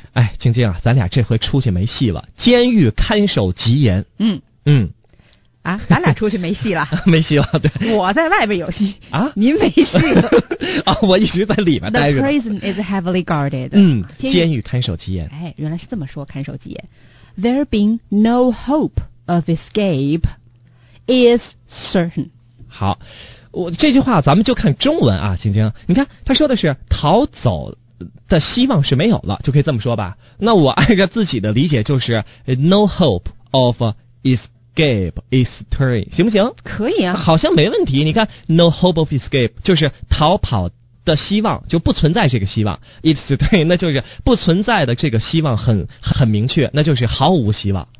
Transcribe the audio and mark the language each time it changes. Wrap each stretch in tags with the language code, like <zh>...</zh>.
<zh>哎，静静啊，咱俩这回出去没戏了，监狱看守极严。嗯嗯。啊，咱俩出去没戏了。没戏了，对。我在外边有戏啊，您没戏了。啊，我一直在里面待着。</zh> <en>The prison is heavily guarded。</en> <zh>嗯，监狱看守极严。哎，原来是这么说，看守极严。</zh> <en>There being no hope of escape is certain。</en> <zh>好，我这句话咱们就看中文啊，晶晶，你看他说的是逃走的希望是没有了，就可以这么说吧。那我按照自己的理解就是</zh> <en>no hope of escape。 Escape is certain，</en> <zh>行不行？可以啊，好像没问题。你看 ，</zh> <en>no hope of escape</en> <zh>就是逃跑的希望就不存在这个希望 ，</zh> <en>is certain</en> <zh>那就是不存在的这个希望很明确，那就是毫无希望。</zh>